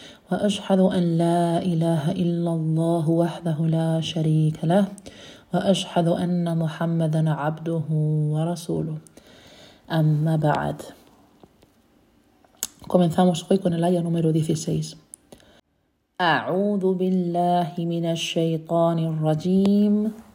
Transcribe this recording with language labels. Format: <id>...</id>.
<ar>وأشهد أن لا إله إلا الله وحده لا شريك له وأشهد أن محمدا عبده ورسوله أما بعد.</ar> <es>Comenzamos hoy con el ayah número 16.</es> <ar>أعوذ بالله من الشيطان الرجيم.</ar>